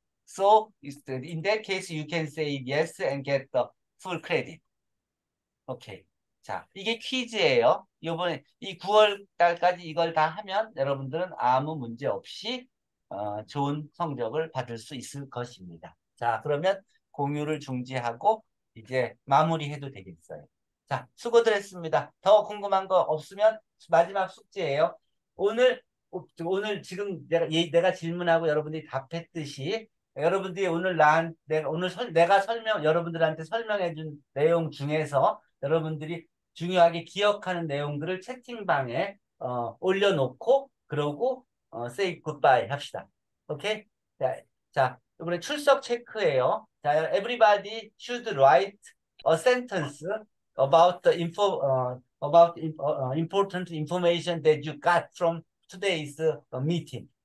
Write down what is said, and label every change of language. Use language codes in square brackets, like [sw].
[en] So, in that case, you can say yes and get the full credit. [ko] Okay. 자, 이게 퀴즈예요. 요번에, 이 9월 달까지 이걸 다 하면 여러분들은 아무 문제 없이 좋은 성적을 받을 수 있을 것입니다. 자, 그러면 공유를 중지하고 이제 마무리해도 되겠어요. 자, 수고들 했습니다. 더 궁금한 거 없으면 마지막 숙제예요. 오늘 지금 내가 질문하고 여러분들이 답했듯이 여러분들이 오늘 나한 내가 오늘 설 내가 설명 여러분들한테 설명해준 내용 중에서 여러분들이 중요하게 기억하는 내용들을 채팅방에 올려놓고 그러고 [en] say goodbye [ko] 합시다. 오케이? 자, 이번에 출석 체크예요. [en] 자, everybody should write a sentence about important information that you got from today's meeting.